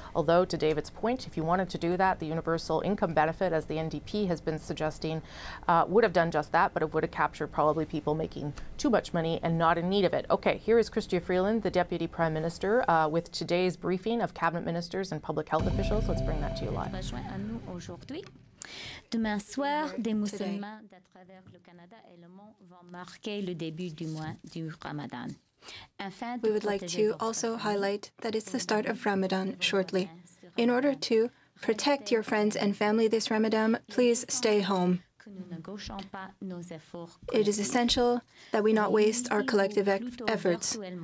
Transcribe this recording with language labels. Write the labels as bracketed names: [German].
[English] Although, to David's point, if you wanted to do that, the universal income benefit, as the NDP has been suggesting, would have done just that, but it would have captured probably people making too much money and not in need of it. Okay, here is Chrystia Freeland, the Deputy Prime Minister, with today's briefing of cabinet ministers and public health officials. Let's bring that to you live. [French] Demain soir, des musulmans à travers le Canada et le monde vont marquer le début du mois du Ramadan. [English] We would like to also highlight that it's the start of Ramadan shortly. In order to protect your friends and family this Ramadan, please stay home. It is essential that we not waste our collective efforts.